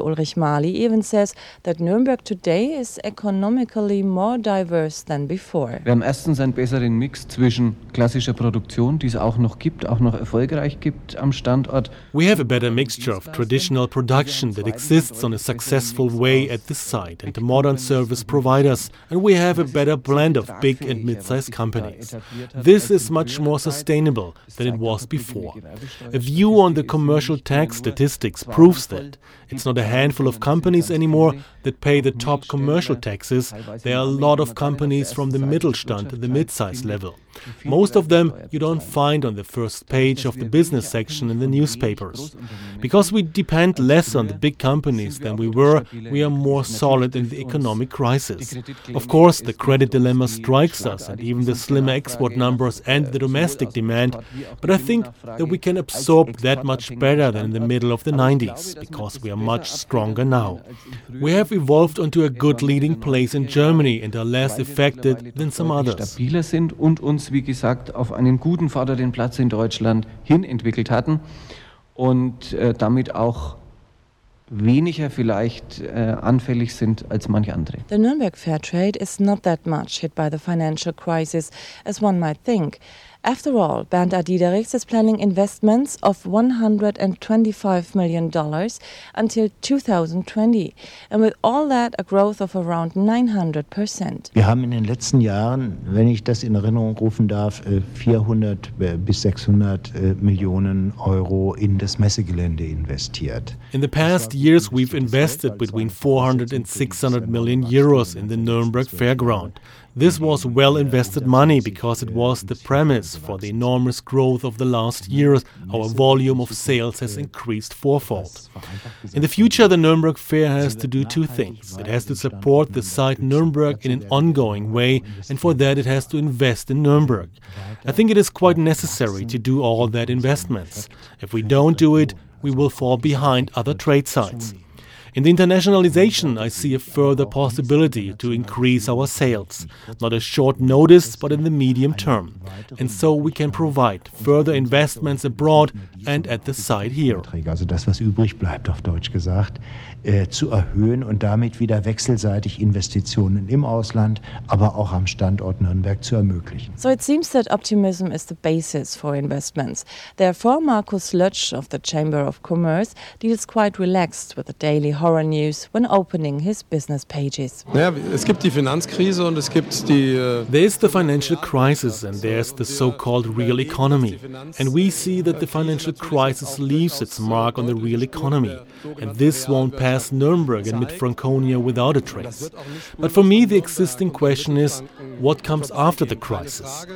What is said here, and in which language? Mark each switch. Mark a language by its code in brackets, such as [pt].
[en] Ulrich Mahli, even says that Nuremberg today is economically more diverse than before. [de] Wir haben erstens einen besseren Mix zwischen klassischer Produktion, die es auch noch gibt, auch noch erfolgreich gibt am Standort. [en] We have a better mixture of traditional production that exists on a successful way at this site and the modern service providers, and we have a better blend of big and mid-sized companies. This is much more sustainable than it was before. A view on the commercial tax statistics proves that. It's not a handful of companies anymore that pay the top commercial taxes. There are a lot of companies from the Mittelstand to the mid-sized level. Most of them you don't find on the first page of the business section in the newspapers. Because we depend less on the big companies than we are more solid in the economic crisis. Of course, the credit dilemma strikes us, and even the slimmer export numbers and the domestic demand, but I think that we can absorb that much better than in the middle of the 90s, because we are much stronger now. We have evolved into a good leading place in Germany and are less affected than some others. [de] Stabiler sind und uns, wie gesagt, auf einen guten vorderen Platz in Deutschland hin entwickelt hatten und damit auch weniger vielleicht anfällig sind als manche andere. [en] The Nuremberg fair trade is not that much hit by the financial crisis as one might think. After all, Bernd Adiderichs is planning investments of $125 million until 2020, and with all that a growth of around 900%. [de] Wir haben in den letzten Jahren, wenn ich das in Erinnerung rufen darf, 400 bis 600 Millionen Euro in das Messegelände investiert. [en] In the past years we've invested between 400 and 600 million euros in the Nuremberg Fairground. This was well-invested money because it was the premise for the enormous growth of the last years. Our volume of sales has increased fourfold. In the future, the Nuremberg Fair has to do two things. It has to support the site Nuremberg in an ongoing way, and for that it has to invest in Nuremberg. I think it is quite necessary to do all that investments. If we don't do it, we will fall behind other trade sites. In the internationalization, I see a further possibility to increase our sales, not as short notice, but in the medium term. And so we can provide further investments abroad and at the site here. [de] Also das, was übrig bleibt, auf Deutsch gesagt, zu erhöhen und damit wieder wechselseitig Investitionen im Ausland, aber auch am Standort Nürnberg zu ermöglichen. [en] So it seems that optimism is the basis for investments. Therefore, Markus Lötsch of the Chamber of Commerce deals quite relaxed with the daily horror news when opening his business pages. [de] Naja, es gibt die Finanzkrise und es gibt die... [en] There is the financial crisis and there's the so-called real economy. And we see that the financial crisis leaves its mark on the real economy. And this won't pass Nuremberg and Mid-Franconia without a trace. But for me, the existing question is, what comes after the crisis?